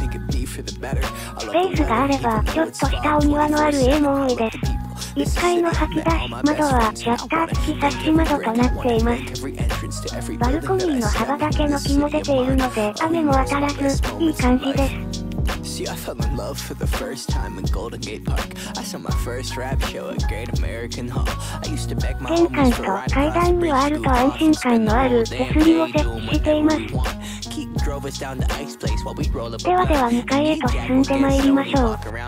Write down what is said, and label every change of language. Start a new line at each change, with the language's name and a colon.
Japanese: スペースがあれば、ちょっとしたお庭のある家も多いです。 1階の掃き出し窓はシャッター付きサッシ窓となっています。バルコニーの幅だけの木も出ているので、雨も当たらず、いい感じです。
English: See, I fell in love for the first time in Golden Gate Park. I saw my first rap show at Great American Hall. I used to beg my homies for a ride across the bridge.
Japanese: 玄関と階段にはあると安心感のある手すりを設置しています。ではでは2階へと進んでまいりましょう。